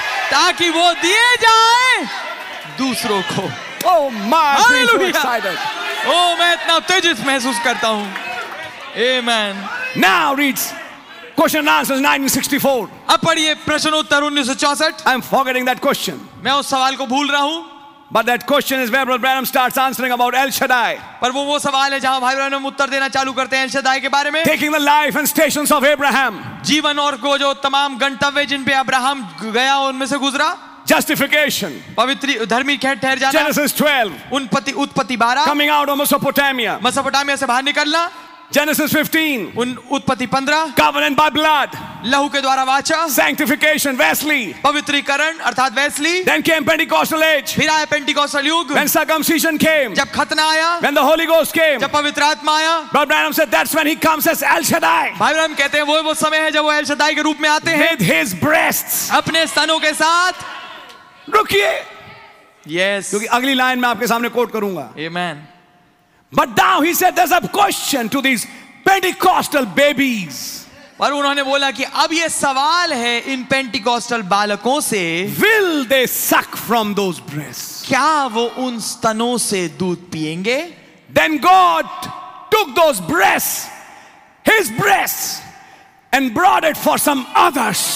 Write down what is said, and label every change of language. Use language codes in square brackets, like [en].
[hi] ताकि वो दिए जाए दूसरों को। [en] oh my, hallelujah, [hi] ओह मैं इतना उत्तेजित महसूस करता हूं। आमेन। [en] Now reads question answer 1964। [hi] अब पढ़िए प्रश्न उत्तर 1964। [en] I am forgetting that question, [hi] मैं उस सवाल को भूल रहा हूं। [en] But that question is where Brother Branham starts answering about El Shaddai. [hi] पर वो सवाल है जहाँ भाई ब्रैनम उत्तर देना चालू करते हैं El Shaddai के बारे में। [en] Taking the life and stations of Abraham. [hi] जीवन और को जो तमाम गंतव्य जिन पे अब्राहम गया उनमें से गुजरा। [en] Justification. [hi] पवित्र धर्मी ठहर जाना। [en] Genesis 12. [hi] उत्पत्ति 12. [en] Coming out of Mesopotamia. [hi] Mesopotamia से बाहर निकलना। [en] Genesis 15. [hi] उत्पत्ति 15. [en] Covenant by blood. [hi] लहू के द्वारा वाचा। [en] Sanctification, Wesley. [hi] पवित्रीकरण अर्थात Wesley. [en] Then came Pentecostal age. [hi] फिर आया पेंटिकॉस्टल युग। [en] When circumcision came. [hi] जब खतना आया। [en] When the Holy Ghost came. [hi] जब पवित्र आत्मा आया। [en] Brother Branham said that's when he comes as El Shaddai. [hi] भाई ब्रैनम कहते हैं वो समय है जब वो El Shaddai के रूप में आते हैं। [en] With his breasts. [hi] अपने स्तनों के साथ। रुकिए। [en] Yes. [hi] क्योंकि अगली लाइन में आपके सामने कोट करूंगा। Amen. [en] But now he said there's a question to these Pentecostal babies. [hi] पर उन्होंने बोला कि अब ये सवाल है इन पेंटिकॉस्टल बालकों से, [en] will they suck from those breast, [hi] क्या वो उन स्तनों से दूध पिएंगे। [en] Then God took those breast, his breast, and brought it for some others.